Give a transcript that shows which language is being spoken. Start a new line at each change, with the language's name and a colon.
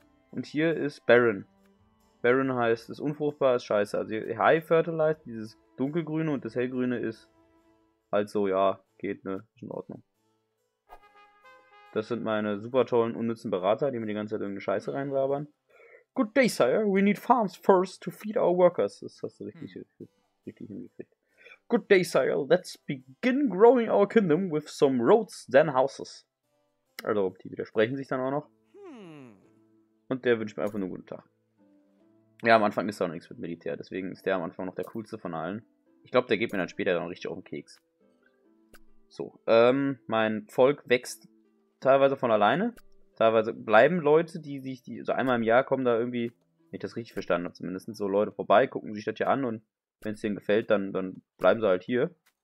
German: Und hier ist barren. Barren heißt, es ist unfruchtbar, ist scheiße. Also
English: high fertilized,
German: dieses dunkelgrüne und das hellgrüne ist halt so, ja, geht, ne, ist in Ordnung. Das sind meine super tollen, unnützen Berater, die mir die ganze Zeit irgendeine Scheiße reinlabern.
English: Good day, Sire. We need farms first to feed our workers.
German: Das hast du richtig hingekriegt.
English: Good day, Sire. Let's begin growing our kingdom with some roads, then houses.
German: Also, die widersprechen sich dann auch noch. Und der wünscht mir einfach nur guten Tag. Ja, am Anfang ist da noch nichts mit Militär, deswegen ist der am Anfang noch der coolste von allen. Ich glaube, der geht mir dann später dann richtig auf den Keks. So, mein Volk wächst teilweise von alleine. Teilweise bleiben Leute, die sich, die so einmal im Jahr kommen, da irgendwie, wenn ich das richtig verstanden habe, zumindest so Leute vorbei, gucken sich das hier an und wenn es denen gefällt, dann bleiben sie halt hier.